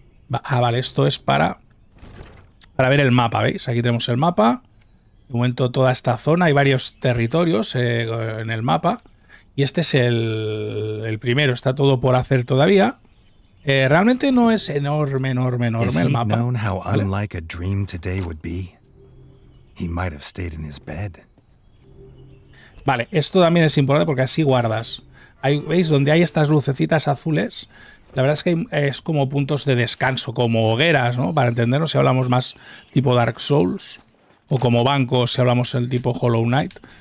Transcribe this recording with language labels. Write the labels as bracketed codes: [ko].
[es] Ah, vale, esto es para ver el mapa, ¿veis? Aquí tenemos el mapa. De momento toda esta zona, hay varios territorios en el mapa. Y este es el primero, está todo por hacer todavía. Realmente no es enorme el mapa. [en] Known how unlike a dream today would be, he might have stayed in his bed. [es] Vale, esto también es importante porque así guardas. Ahí, ¿veis? Donde hay estas lucecitas azules, la verdad es que es como puntos de descanso, como hogueras, ¿no? Para entendernos si hablamos más tipo Dark Souls, o como banco si hablamos el tipo Hollow Knight.